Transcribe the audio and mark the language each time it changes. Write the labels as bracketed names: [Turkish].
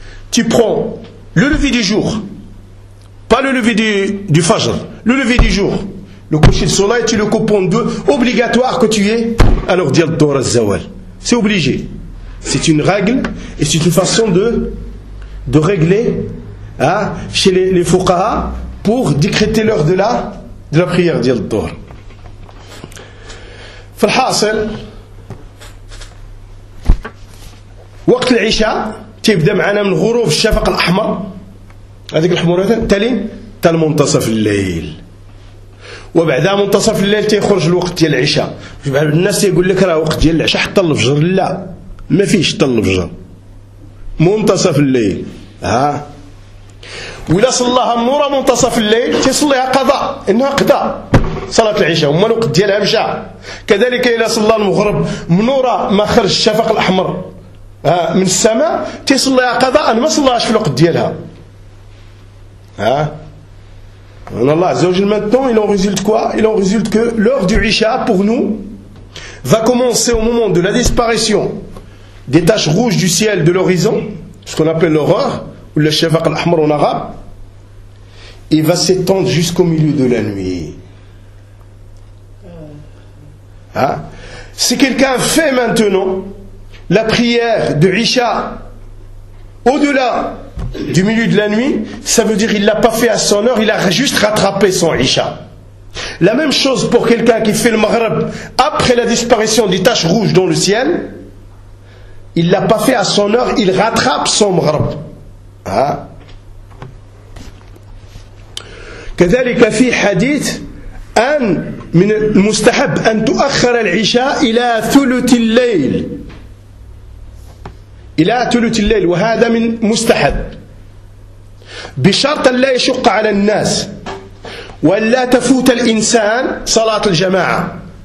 [French] Tu prends le lever du jour, pas le lever du Fajr, le lever du jour, le coucher de soleil, tu le coupes en deux, obligatoire que tu aies, alors dire Dhuhr al-Zawal. C'est obligé. C'est une règle et c'est une façon de régler, hein, chez les fuqaha pour décréter l'heure de la prière, dire Dhuhr. [Arabic] فالحاصل وقت العشاء تبدا معنا من غروب الشفق الاحمر هذيك الحموره تالي حتى لمنتصف الليل وبعد منتصف الليل تيخرج الوقت ديال العشاء بعض الناس يقول لك راه وقت ديال العشاء حتى الفجر لا ما فيش حتى الفجر منتصف الليل ها ولا صلاها مورا منتصف الليل تيصليها قضاء انها قضاء صلاة العشاء وما الوقت ديالها مشى كذلك إلى صلاة المغرب منورة ما خرج الشفق الأحمر من السماء تصلي قضاء ما صلاش في الوقت ديالها ها أن الله عز وجل [French] maintenant il en résulte quoi il en résulte que l'heure du Isha pour nous va commencer au moment de la disparition des taches rouges du ciel de l'horizon ce qu'on appelle l'aurore ou le Shafaq al-Ahmar en arabe et va s'étendre jusqu'au milieu de la nuit. Hein? Si quelqu'un fait maintenant la prière de Isha au-delà du milieu de la nuit, ça veut dire qu'il ne l'a pas fait à son heure, il a juste rattrapé son Isha. La même chose pour quelqu'un qui fait le Maghrib après la disparition des taches rouges dans le ciel, il ne l'a pas fait à son heure, il rattrape son Maghrib. [Arabic] كذلك في حديث أن من المستحب أن تؤخر العشاء إلى ثلث الليل إلى ثلث الليل وهذا من مستحب بشرط أن لا يشق على الناس وأن لا تفوت الإنسان صلاة الجماعة